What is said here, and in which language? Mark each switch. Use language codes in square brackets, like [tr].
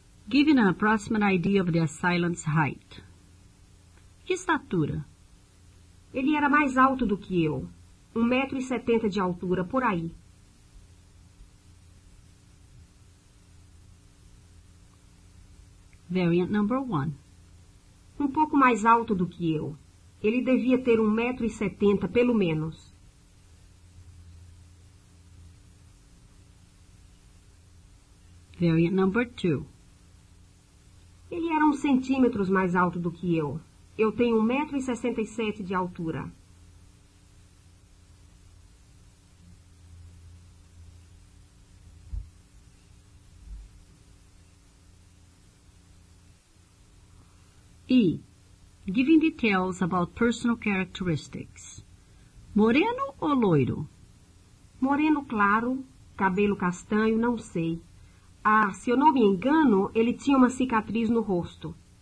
[en] Giving an approximate idea of the assailant's height. [pt] Que estatura? Ele era mais alto do que eu. 1,70 m de altura, por aí. [en] Variant number one. [pt] Um pouco mais alto do que eu. Ele devia ter 1,70 m, pelo menos. [en] Variant number two. [pt] Ele era 1 cm mais alto do que eu. Eu tenho 1,67 m de altura. E. [en] Giving details about personal characteristics. [pt] Moreno ou loiro? Moreno claro, cabelo castanho, não sei. Ah, se eu não me engano, ele tinha uma cicatriz no rosto.